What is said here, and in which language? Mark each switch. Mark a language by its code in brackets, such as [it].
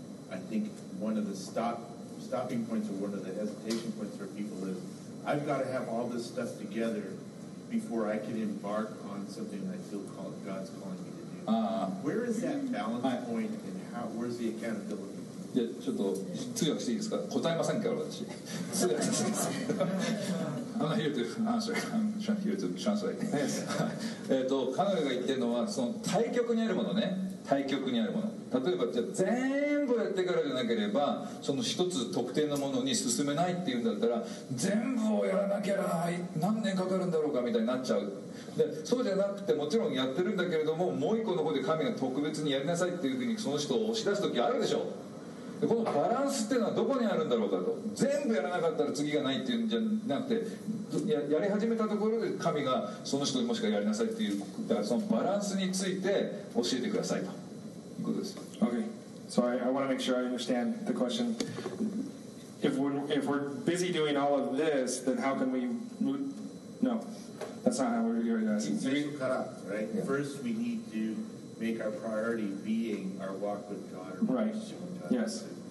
[en] I think one of the stopping points or one of the hesitation points for people is, I've got to have all this stuff together before I can embark on something I feel called, God's calling me to do. Where is that balance point and where's the accountability? [ja] いや、ちょっと通訳していいですか。答えませんから私。通訳していいですか。 [en] I'm not here to answer. I'm here to translate. [ja] 彼女が言ってるのは、その対極にあるものね。対極にあるもの。例えば、じゃあ全部やってからじゃなければ、その一つ特定のものに進めないっていうんだったら、全部をやらなきゃ何年かかるんだろうかみたいになっちゃう。でそうじゃなくて、もちろんやってるんだけれども、もう一個の方で神が特別にやりなさいっていうふうにその人を押し出す時あるでしょ。で、このバランスっていうのはどこにあるんだろうかと、全部やらなかったら次がないっていうんじゃなくて、 やり始めたところで神がその人にもしかやりなさいっていう、だからそのバランスについて教えてくださいということです。 [en] Okay, so I want to make sure I understand the question. If we're busy doing all of this, then how can we move? No, that's not how we're doing this. Right? Yeah. First, we need to make our priority being our walk with God. Right. Yes.